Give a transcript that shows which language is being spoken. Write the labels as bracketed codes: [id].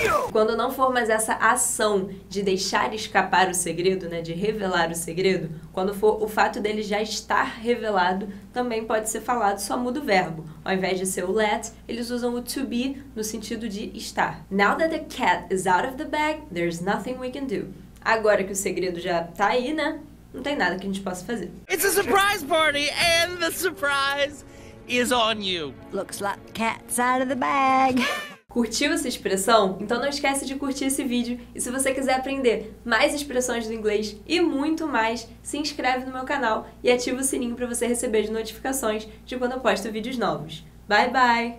[pt] Quando não for mais essa ação de deixar escapar o segredo, né, de revelar o segredo, quando for o fato dele já estar revelado, também pode ser falado, só muda o verbo. Ao invés de ser o let, eles usam o to be no sentido de estar. [en] Now that the cat is out of the bag, there's nothing we can do. [pt] Agora que o segredo já tá aí, né? Não tem nada que a gente possa fazer. [en] It's a surprise party and the surprise is on you. Looks like cat's out of the bag. [pt] Curtiu essa expressão? Então não esquece de curtir esse vídeo e se você quiser aprender mais expressões do inglês e muito mais, se inscreve no meu canal e ativa o sininho para você receber as notificações de quando eu posto vídeos novos. [en] Bye bye.